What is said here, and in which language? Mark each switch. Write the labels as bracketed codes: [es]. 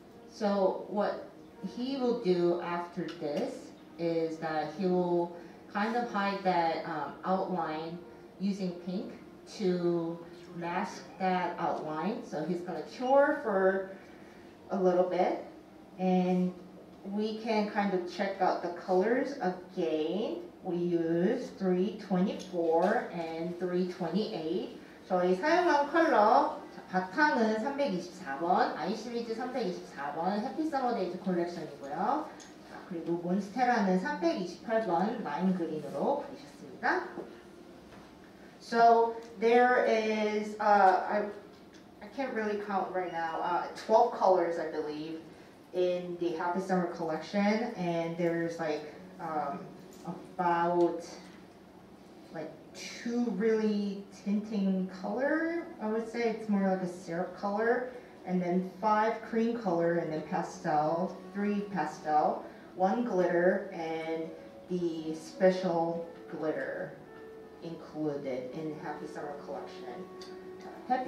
[en] So what he will do after this is that he will kind of hide that outline using pink to mask that outline. So he's going to cure for a little bit and we can kind of check out the colors again. We use 324 and 328. [ko] 저희 사용한 컬러 바탕은 324번, 아이시리즈 324번, 해피서머데이즈 컬렉션이고요. 자, 그리고 몬스테라는 328번, 라임그린으로 보이셨습니다. [en] So, there is, I can't really count right now, 12 colors, I believe, in the Happy Summer collection, and there's like, about, like, two really tinting color, I would say it's more like a syrup color, and then five cream color, and then pastel, three pastel, one glitter, and the special glitter included in Happy Summer Collection.